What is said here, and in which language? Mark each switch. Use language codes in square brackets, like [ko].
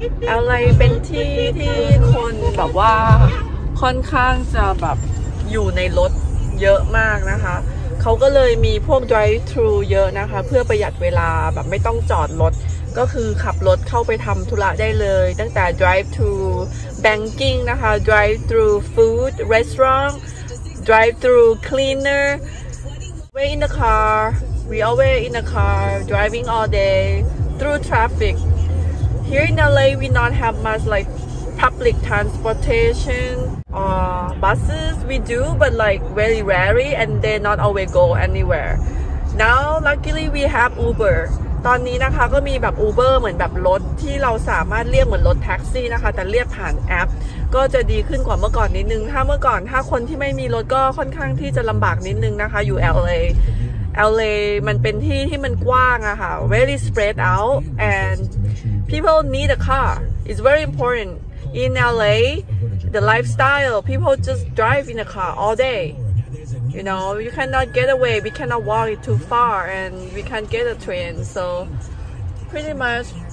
[th] อะไรเป็นที่ที่คนแบบว่าค่อนข้างจะแบบอยู่ในรถเยอะมากนะคะเขาก็เลยมีพวก drive through เยอะนะคะเพื่อประหยัดเวลาแบบไม่ต้องจอดรถก็คือขับรถเข้าไปทำธุระได้เลยตั้งแต่ drive through banking นะคะ drive through food restaurant drive through cleaner เว [en] We're in the car. We always in the car, driving all day through traffic. Here in LA, we not have much like public transportation or buses. We do, but like very rarely, and they not always go anywhere. Now, luckily, we have Uber. [th] ตอนนี้นะคะก็มีแบบ Uber เหมือนแบบรถที่เราสามารถเรียกเหมือนรถแท็กซี่นะคะแต่เรียกผ่านแอปก็จะดีขึ้นกว่าเมื่อก่อนนิดนึงถ้าเมื่อก่อนถ้าคนที่ไม่มีรถก็ค่อนข้างที่จะลำบากนิดนึงนะคะอยู่ [en] LA [th] มันเป็นที่ที่มันกว้างอะค่ะ [en] very spread out and people need a car it's very important in LA the lifestyle people just drive in a car all dayYou know, you cannot get away, we cannot walk it too far, and we can't get a train, so pretty much.